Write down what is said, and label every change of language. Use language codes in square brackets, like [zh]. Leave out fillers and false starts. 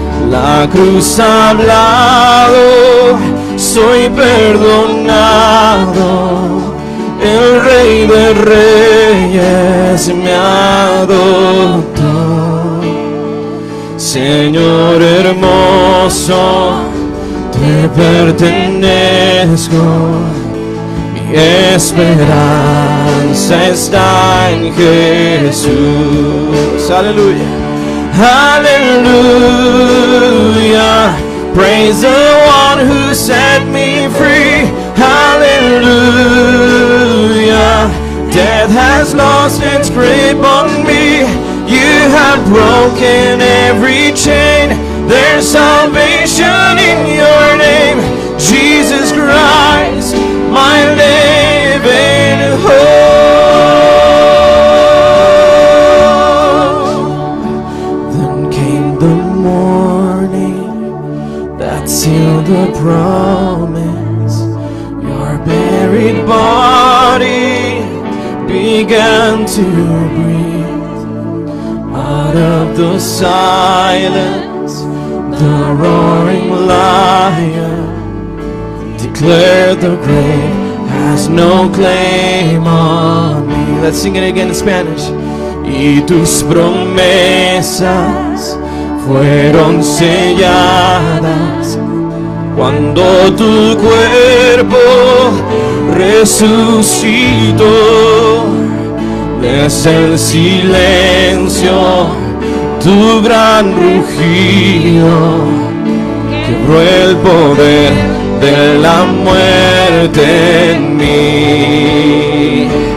[es] La cruz ha hablado, soy perdonado, el Rey de Reyes me adoptó. Señor hermoso, te pertenezco, mi esperanza está en Jesús. Aleluya, [en] aleluya, praise the one who set me free. Aleluya, death has lost its grip on me. You have broken every chain. There's salvation in your name, Jesus Christ, my living hope. Then came the morning that sealed the promise. Your buried body began to breathe. Out of the silence, the roaring lion declared the grave has no claim on me. Let's sing it again in Spanish. [es] Y tus promesas fueron selladas cuando tu cuerpo resucitó. Desde el silencio tu gran rugido quebró el poder de la muerte en mí.